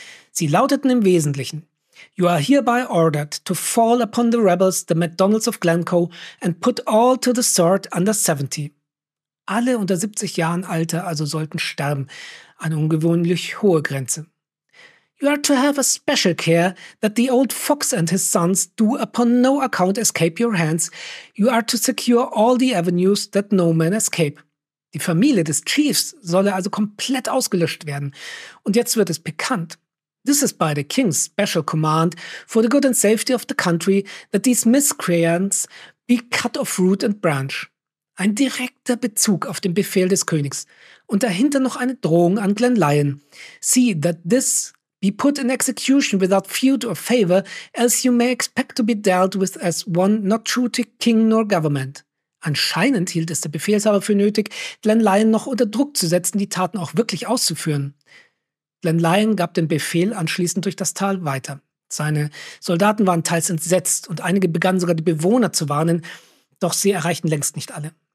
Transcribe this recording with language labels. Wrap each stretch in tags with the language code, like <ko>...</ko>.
<de>Sie lauteten im Wesentlichen:</de> <en>You are hereby ordered to fall upon the rebels, the MacDonalds of Glencoe, and put all to the sword under 70.</en> <de>Alle unter 70 Jahren Alter also sollten sterben, eine ungewöhnlich hohe Grenze.</de> <en>You are to have a special care that the old fox and his sons do upon no account escape your hands. You are to secure all the avenues that no man escape.</en> <de>Die Familie des Chiefs solle also komplett ausgelöscht werden. Und jetzt wird es pikant.</de> <en>This is by the king's special command for the good and safety of the country that these miscreants be cut off root and branch.</en> <de>Ein direkter Bezug auf den Befehl des Königs. Und dahinter noch eine Drohung an Glenlyon.</de> <en>See that this be put in execution without feud or favor, else you may expect to be dealt with as one not true to king nor government.</en> <de>Anscheinend hielt es der Befehlshaber für nötig, Glenlyon noch unter Druck zu setzen, die Taten auch wirklich auszuführen. Glenlyon gab den Befehl anschließend durch das Tal weiter. Seine Soldaten waren teils entsetzt und einige begannen sogar die Bewohner zu warnen, doch sie erreichten längst nicht alle.</de>